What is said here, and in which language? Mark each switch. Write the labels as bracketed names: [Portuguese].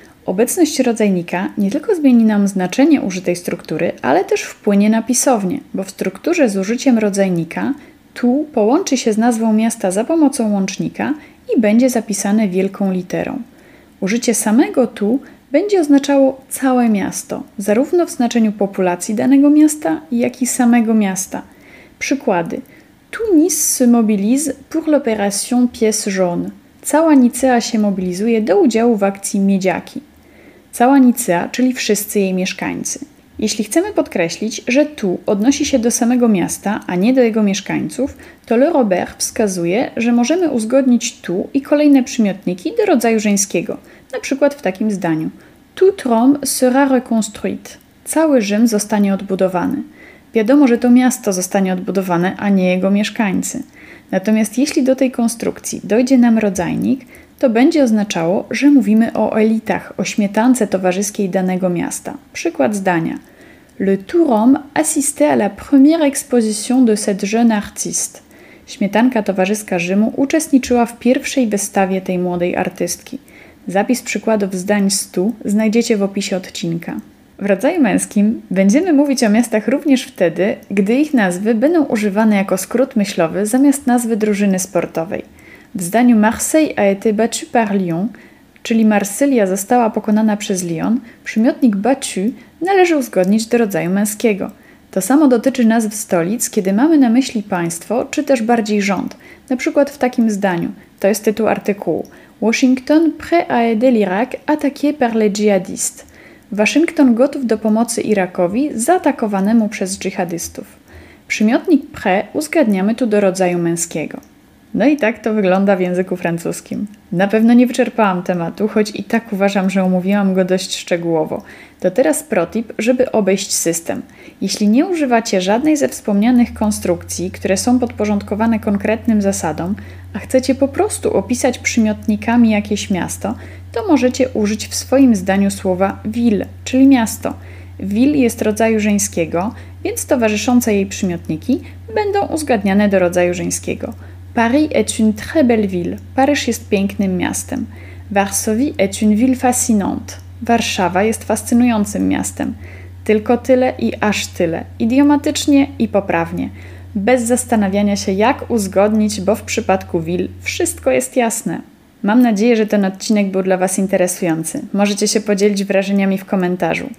[Polish] Obecność rodzajnika nie tylko zmieni nam znaczenie użytej struktury, ale też wpłynie na pisownię, bo w strukturze z użyciem rodzajnika tu połączy się z nazwą miasta za pomocą łącznika i będzie zapisane wielką literą. Użycie samego tu będzie oznaczało całe miasto, zarówno w znaczeniu populacji danego miasta, jak i samego miasta. Przykłady. [French] Tout Nice se mobilise pour l'opération Pièce jaune. [Polish] Cała Nicea się mobilizuje do udziału w akcji Miedziaki. Cała Nicea, czyli wszyscy jej mieszkańcy. Jeśli chcemy podkreślić, że tu odnosi się do samego miasta, a nie do jego mieszkańców, to Le Robert wskazuje, że możemy uzgodnić tu i kolejne przymiotniki do rodzaju żeńskiego. Na przykład w takim zdaniu. [French] Tout Rome sera reconstruite. [Polish] Cały Rzym zostanie odbudowany. Wiadomo, że to miasto zostanie odbudowane, a nie jego mieszkańcy. Natomiast jeśli do tej konstrukcji dojdzie nam rodzajnik, to będzie oznaczało, że mówimy o elitach, o śmietance towarzyskiej danego miasta. Przykład zdania. [French] Le Tout Rome assistait à la première exposition de cette jeune artiste. [Polish] Śmietanka towarzyska Rzymu uczestniczyła w pierwszej wystawie tej młodej artystki. Zapis przykładów zdań z tu znajdziecie w opisie odcinka. W rodzaju męskim będziemy mówić o miastach również wtedy, gdy ich nazwy będą używane jako skrót myślowy zamiast nazwy drużyny sportowej. W zdaniu [French] Marseille a été battue par Lyon, [Polish] czyli Marsylia została pokonana przez Lyon, przymiotnik battue należy uzgodnić do rodzaju męskiego. To samo dotyczy nazw stolic, kiedy mamy na myśli państwo czy też bardziej rząd. Na przykład w takim zdaniu, to jest tytuł artykułu. [French] Washington prêt à aider l'Irak attaqué par les djihadistes. [Polish] Waszyngton gotów do pomocy Irakowi zaatakowanemu przez dżihadystów. Przymiotnik prêt uzgadniamy tu do rodzaju męskiego. No i tak to wygląda w języku francuskim. Na pewno nie wyczerpałam tematu, choć i tak uważam, że omówiłam go dość szczegółowo. To teraz protip, żeby obejść system. Jeśli nie używacie żadnej ze wspomnianych konstrukcji, które są podporządkowane konkretnym zasadom, a chcecie po prostu opisać przymiotnikami jakieś miasto, to możecie użyć w swoim zdaniu słowa ville, czyli miasto. Ville jest rodzaju żeńskiego, więc towarzyszące jej przymiotniki będą uzgadniane do rodzaju żeńskiego. [French] Paris est une très belle ville. [Polish] Paryż jest pięknym miastem. [French] Varsovie est une ville fascinante. [Polish] Warszawa jest fascynującym miastem. Tylko tyle i aż tyle. Idiomatycznie i poprawnie. Bez zastanawiania się, jak uzgodnić, bo w przypadku ville wszystko jest jasne. Mam nadzieję, że ten odcinek był dla Was interesujący. Możecie się podzielić wrażeniami w komentarzu.